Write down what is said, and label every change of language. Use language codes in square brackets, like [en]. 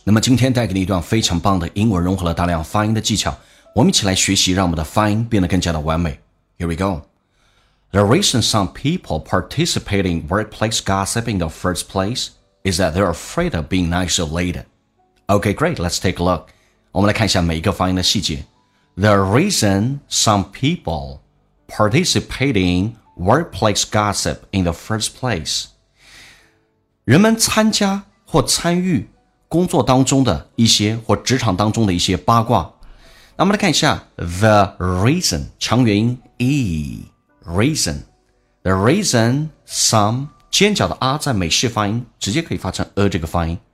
[zh] 那么今天带给你一段非常棒的英文，融合了大量发音的技巧，我们一起来学习，让我们的发音变得更加的完美。 [en] Here we go。 The reason some people participate in workplace gossip in the first place is that they're afraid of being isolated. Okay, great, let's take a look。 [zh] 我们来看一下每一个发音的细节。 [en] The reason some people participate in workplace gossip in the first place， [zh] 人们参加或参与工作当中的一些或职场当中的一些八卦。那我们来看一下 [en] The reason [zh] 长元音 E [en] Reason The reason some [zh] 尖角的 R 在美式发音直接可以发成 E 这个发音